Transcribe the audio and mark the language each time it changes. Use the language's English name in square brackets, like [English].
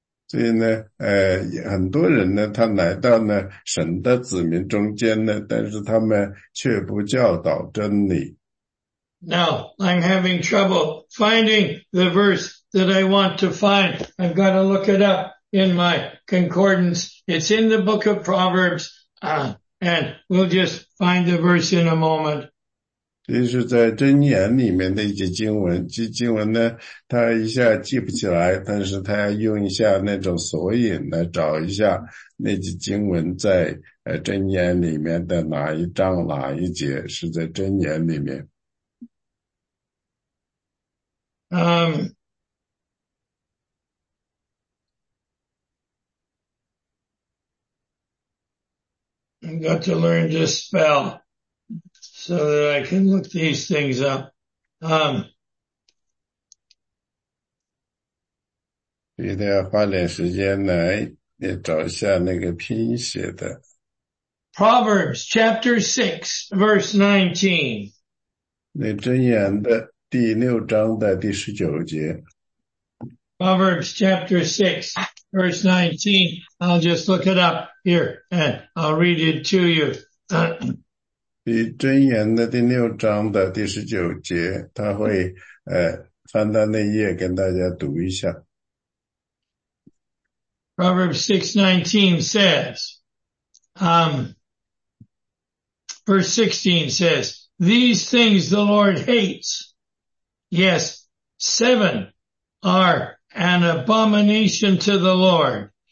[Chinese] 所以呢很多人呢他来到呢神的子民中间呢，但是他们却不教导真理。 [English] Now, I'm having trouble finding the verse that I want to find. I've got to look it up in my concordance. It's in the book of Proverbs, and we'll just find the verse in a moment. [Chinese] 这是在箴言里面的一节经文，这经文呢，他一下记不起来，但是他要用一下那种索引来找一下那节经文在箴言里面的哪一章哪一节是在箴言里面。 [English] I got to learn to spell so that I can look these things up. Proverbs chapter 6 verse 19. [Chinese] 箴言的第六章的第十九节。 [English] Proverbs chapter 6 verse 19. I'll just look it up here and I'll read it to you. [Chinese] 箴言的第六章的第十九节，他会翻到那页跟大家读一下。 [English] Proverbs 6:19 says, verse 16 says, these things the Lord hates. Yes, seven are an abomination to the Lord.